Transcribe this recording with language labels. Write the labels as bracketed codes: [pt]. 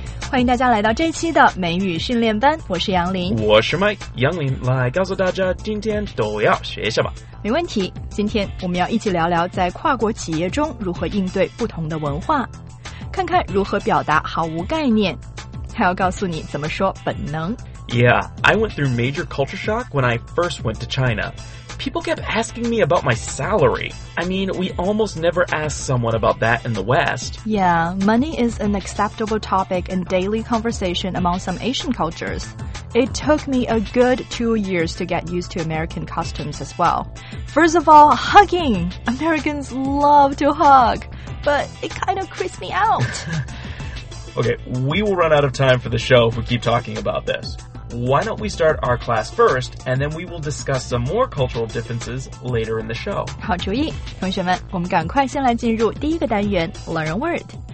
[zh] 欢迎大家来到这一期的美语训练班，我是杨林，我是 Mike 杨林，来告诉大家今天都要学一下吧。没问题，今天我们要一起聊聊在跨国企业中如何应对不同的文化，看看如何表达毫无概念，还要告诉你怎么说本能。 [en] Yeah, I went through major culture shock when I first went to China. People kept asking me about my salary. I mean, we almost never ask someone about that in the West. Yeah, money is an acceptable topic in daily conversation among some Asian cultures. It took me a good 2 years to get used to American customs as well. First of all, hugging! Americans love to hug, but it kind of creeps me out. Okay, we will run out of time for the show if we keep talking about this. Why don't we start our class first, and then we will discuss some more cultural differences later in the show. [zh] 好主意，同学们，我们赶快先来进入第一个单元 ,Learn a Word.